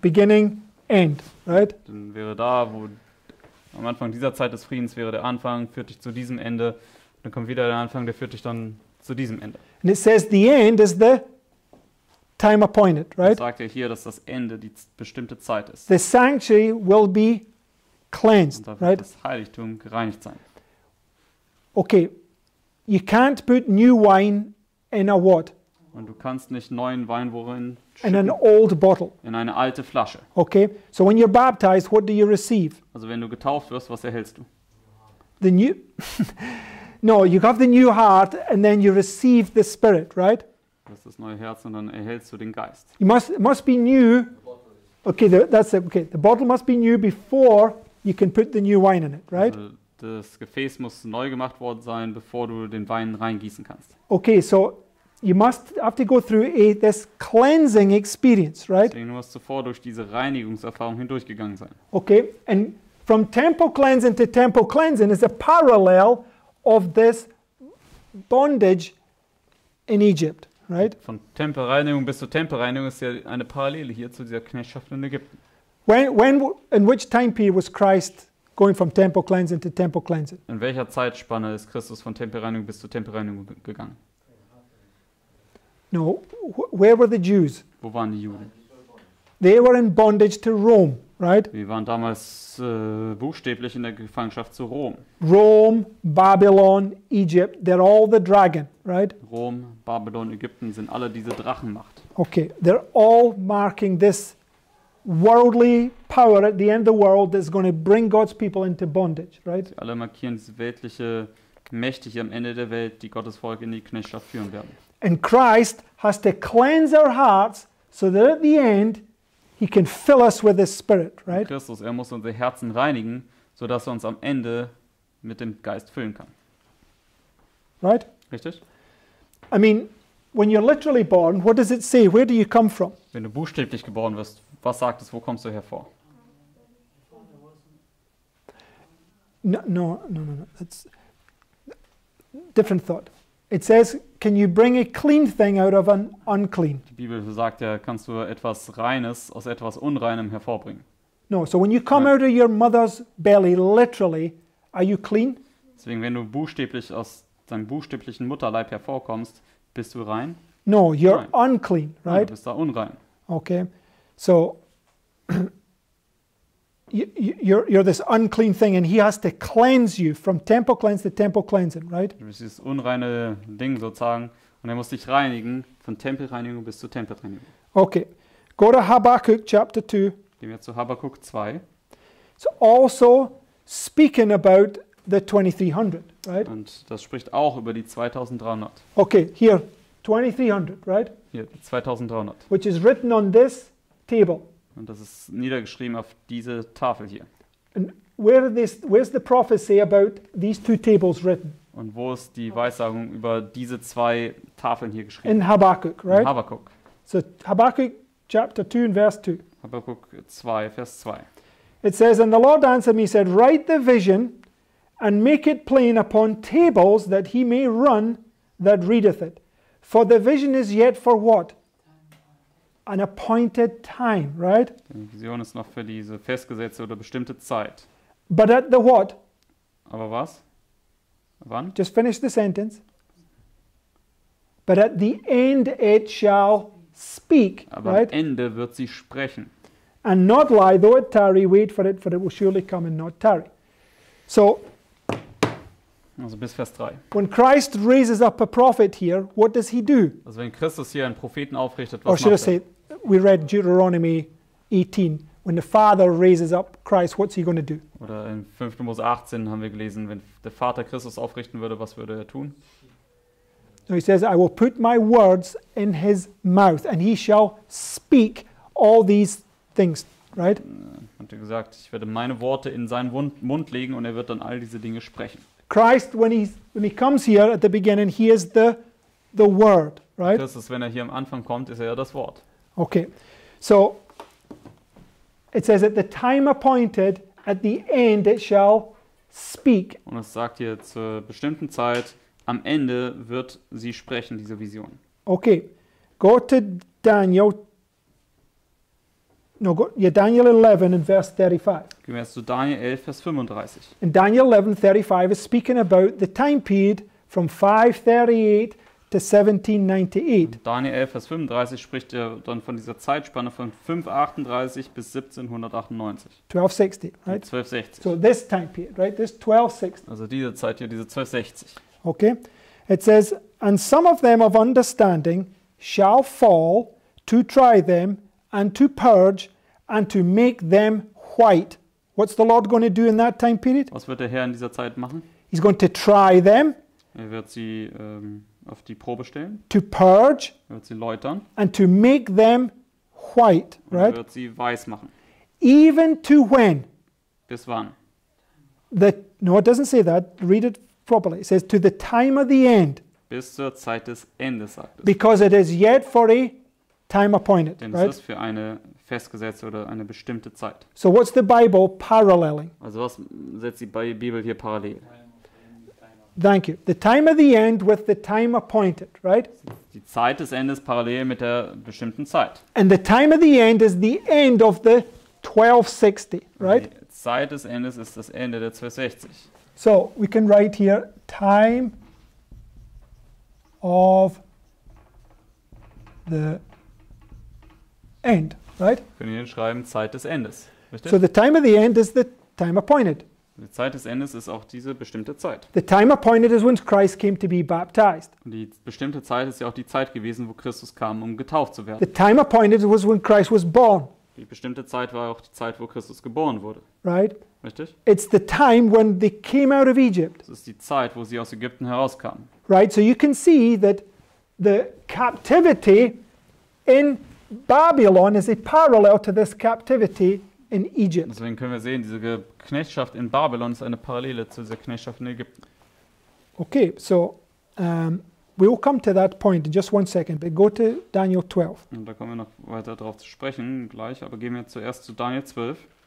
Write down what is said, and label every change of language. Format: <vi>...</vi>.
<en>Beginning, end, right?</en> <de>Dann wäre da, wo am Anfang dieser Zeit des Friedens wäre der Anfang, führt dich zu diesem Ende. Dann kommt wieder der Anfang, der führt dich dann zu diesem Ende.</de> <en>And it says the end is the time appointed, right?</en> <de>Sagt er hier, dass das Ende die bestimmte Zeit ist.</de> <en>The sanctuary will be cleansed,</en> <de>und da wird</de> <en>right?</en> <de>Das Heiligtum gereinigt sein.</de> <en>Okay, you can't put new wine in a what?</en> <de>Und du kannst nicht neuen Wein worin schütten?</de> <en>In an old bottle.</en> <de>In eine alte Flasche.</de> <en>Okay, so when you're baptized, what do you receive?</en> <de>Also wenn du getauft wirst, was erhältst du?</de> <en>The new no, you have the new heart and then you receive the Spirit, right?</en> <de>Das ist das neue Herz und dann erhältst du den Geist.</de> <en>You must be new. Okay, that's it. Okay, the bottle must be new before you can put the new wine in it, right?</en> <de>Also das Gefäß muss neu gemacht worden sein, bevor du den Wein reingießen kannst.</de> <en>Okay, so you must have to go through this cleansing experience, right?</en> <de>Deswegen musst du zuvor durch diese Reinigungserfahrung hindurchgegangen sein.</de> <en>Okay, and from temple cleansing to temple cleansing is a parallel of this bondage in Egypt. Right?</en> <de>Von Tempelreinigung bis zur Tempelreinigung ist ja eine Parallele hier zu dieser Knechtschaft in Ägypten.</de> <en>In which time period was Christ going from temple cleansing to temple cleansing?</en> <de>In welcher Zeitspanne ist Christus von Tempelreinigung bis zur Tempelreinigung gegangen?</de> <en>No, where were the Jews?</en> <de>Wo waren die Juden?</de> <en>They were in bondage to Rome, right?</en> <de>Wir waren damals buchstäblich in der Gefangenschaft zu Rom.</de> <en>Rome, Babylon, Egypt, they're all the dragon, right?</en> <de>Rom, Babylon, Ägypten sind alle diese Drachenmacht.</de> <en>Okay, they're all marking this worldly power at the end of the world that's going to bring God's people into bondage, right?</en> <de>Sie alle markieren diese weltliche Mächte hier am Ende der Welt, die Gottes Volk in die Knechtschaft führen werden.</de> <en>And Christ has to cleanse our hearts so that at the end He can fill us with His Spirit, right?</en> <de>Christus, er muss unsere Herzen reinigen, so dass er uns am Ende mit dem Geist füllen kann.</de> <en>Right?</en> <de>Richtig?</de> <en>I mean, when you're literally born, what does it say? Where do you come from?</en> <de>Wenn du buchstäblich geboren wirst, was sagt es? Wo kommst du hervor?</de> <en>No. That's different thought. It says, can you bring a clean thing out of an unclean?</en> <de>Die Bibel sagt ja, kannst du etwas Reines aus etwas Unreinem hervorbringen?</de> <en>No, so when you come out of your mother's belly, literally, are you clean?</en> <de>Deswegen, wenn du buchstäblich aus deinem buchstäblichen Mutterleib hervorkommst, bist du rein?</de> <en>No, you're</en> <de>rein.</de> <en>Unclean, right?</en> <de>Nein, du bist da unrein.</de> <en>Okay, so you're this unclean thing and he has to cleanse you from temple cleanse to temple cleansing, right?</en> <de>Du bist dieses unreine Ding sozusagen und er muss dich reinigen von Tempelreinigung bis zu Tempelreinigung.</de> <en>Okay, go to Habakkuk chapter 2.</en> <de>Gehen wir zu Habakkuk 2.</de> <en>It's also speaking about the 2300, right?</en> <de>Und das spricht auch über die 2300.</de> <en>Okay, here, 2300, right?</en> <de>Hier, 2300.</de> <en>Which is written on this table.</en> <de>Und das ist niedergeschrieben auf diese Tafel hier.</de> <en>And where this, where's the prophecy about these two tables written?</en> <de>Und wo ist die Weissagung über diese zwei Tafeln hier geschrieben?</de> <en>In Habakkuk, right?</en> <de>In Habakkuk.</de> <en>So Habakkuk chapter 2 and verse 2.</en> <de>Habakkuk 2, Vers 2.</de> <en>It says, and the Lord answered me, said, write the vision and make it plain upon tables that he may run that readeth it. For the vision is yet for what? An appointed time, right?</en> <de>Die Vision ist noch für diese festgesetzte oder bestimmte Zeit.</de> <en>But at the what?</en> <de>Aber was? Wann?</de> <en>Just finish the sentence. But at the end it shall speak,</en> <de>aber</de> <en>right?</en> <de>Am Ende wird sie sprechen.</de> <en>And not lie, though it tarry, wait for it will surely come and not tarry. So,</en> <de>also bis Vers 3.</de> <en>When Christ raises up a prophet here, what does he do?</en> <de>Also wenn Christus hier einen Propheten aufrichtet, was macht er?</de> <en>We read Deuteronomy 18. When the Father raises up Christ, what's he going to do?</en> <de>Oder in 5. Mose 18 haben wir gelesen, wenn der Vater Christus aufrichten würde, was würde er tun?</de> <en>So he says, I will put my words in his mouth and he shall speak all these things, right?</en> <de>Hat er gesagt, ich werde meine Worte in seinen Mund legen und er wird dann all diese Dinge sprechen.</de> <en>Christ, when he comes here at the beginning, he is the word, right?</en> <de>Christus, wenn er hier am Anfang kommt, ist er ja das Wort.</de> <en>Okay, so it says at the time appointed, at the end it shall speak.</en> <de>Und es sagt hier zur bestimmten Zeit, am Ende wird sie sprechen, diese Vision.</de> <en>Okay, go to Daniel 11 and verse 35.</en> <de>Gehen wir jetzt zu Daniel 11, Vers 35.</de> <en>In Daniel 11, 35 is speaking about the time period from 538 to 1798.</en> <de>Daniel 11, Vers 35 spricht ja dann von dieser Zeitspanne von 538 bis 1798.</de> <en>1260, right?</en> <de>1260.</de> <en>So this time period, right? This 1260.</en> <de>Also diese Zeit hier, diese 1260.</de> <en>Okay. It says, and some of them of understanding shall fall to try them and to purge and to make them white. What's the Lord going to do in that time period?</en> <de>Was wird der Herr in dieser Zeit machen?</de> <en>He's going to try them.</en> <de>Er wird sie auf die Probe stellen.</de> <en>To purge.</en> <de>Er wird sie läutern.</de> <en>And to make them white, right?</en> <de>Er wird sie weiß machen.</de> <en>Even to when?</en> <de>Bis wann?</de> <en>No, it doesn't say that. Read it properly. It says to the time of the end.</en> <de>Bis zur Zeit des Endes, sagt es.</de> <en>Because it is yet for a time appointed,</en> <de>denn</de> <en>right?</en> <de>Es ist für eine festgesetzte oder eine bestimmte Zeit.</de> <en>So what's the Bible paralleling?</en> <de>Also was setzt die Bibel hier parallel?</de> <en>Thank you. The time of the end with the time appointed, right?</en> <de>Die Zeit des Endes parallel mit der bestimmten Zeit.</de> <en>And the time of the end is the end of the 1260, right?</en> <de>Die Zeit des Endes ist das Ende der 1260.</de> <en>So we can write here time of the end, right?</en> <de>Können wir hinschreiben Zeit des Endes, richtig?</de> <en>So the time of the end is the time appointed.</en> <de>Die Zeit des Endes ist auch diese bestimmte Zeit.</de> <en>The time appointed is when Christ came to be baptized.</en> <de>Und die bestimmte Zeit ist ja auch die Zeit gewesen, wo Christus kam, um getauft zu werden.</de> <en>The time appointed was when Christ was born.</en> <de>Die bestimmte Zeit war auch die Zeit, wo Christus geboren wurde.</de> <en>Right?</en> <de>Richtig?</de> <en>It's the time when they came out of Egypt.</en> <de>Das ist die Zeit, wo sie aus Ägypten herauskamen.</de> <en>Right? So you can see that the captivity in Babylon is a parallel to this captivity in Egypt.</en> <de>Deswegen können wir sehen, diese Knechtschaft in Babylon ist eine Parallele zu dieser Knechtschaft in Ägypten.</de> <en>Okay, so we will come to that point in just one second, but go to Daniel 12.</en> <de>Und da kommen wir noch weiter drauf zu sprechen gleich, aber gehen wir zuerst zu Daniel 12.</de>